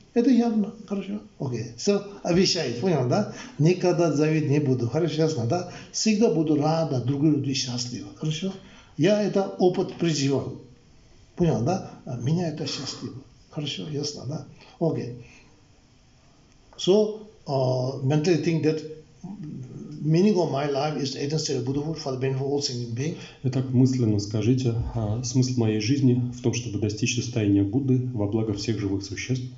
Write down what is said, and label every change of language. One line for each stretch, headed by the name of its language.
Russian: Это явно, хорошо, окей. Все, обещает, понял, да? Никогда завидеть не буду, хорошо, ясно, да? Всегда буду рада, другие люди счастливы, хорошо? Я это опыт призывал, понял, да? Меня это счастливо, хорошо, ясно, да? Окей.
English: So, mentally think that meaning of my life is eight instead of Buddhahood for the benefit of all sentient beings.
Russian: Итак, мысленно скажите, смысл моей жизни в том, чтобы достичь состояния Будды во благо всех живых существ.